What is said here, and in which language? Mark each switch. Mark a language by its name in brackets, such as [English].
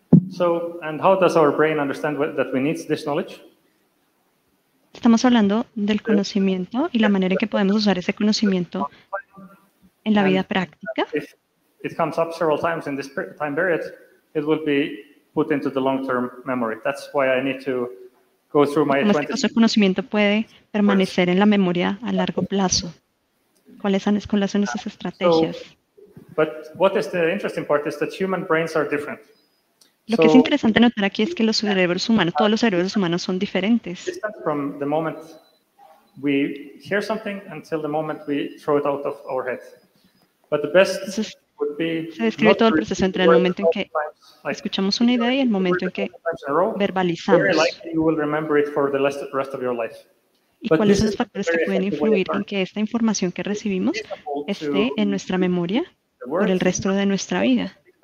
[English] So, and how does our brain understand that we need this knowledge? [Spanish] Estamos hablando del conocimiento y la manera en que podemos usar ese conocimiento en la vida práctica. [English] If it comes up several times in this time period, it will be put into the long-term memory. That's why I need to go through my 20s. [Spanish] ¿Cómo ese conocimiento puede permanecer en la memoria a largo plazo? ¿Cuáles son esas estrategias? [English] But what is the interesting part is that human brains are different. [Spanish] Lo que es interesante notar aquí es que los cerebros humanos, todos los cerebros humanos son diferentes. [English] From the moment we hear something until the moment we throw it out of our head. But the best would be [Spanish] se describe todo el proceso entre el momento en que escuchamos una idea y el momento en que verbalizamos. [English] Very likely you will remember it for the rest of your life. [Spanish] ¿Y cuáles son los factores que pueden influir en que esta información que recibimos esté en nuestra memoria por el resto de nuestra vida?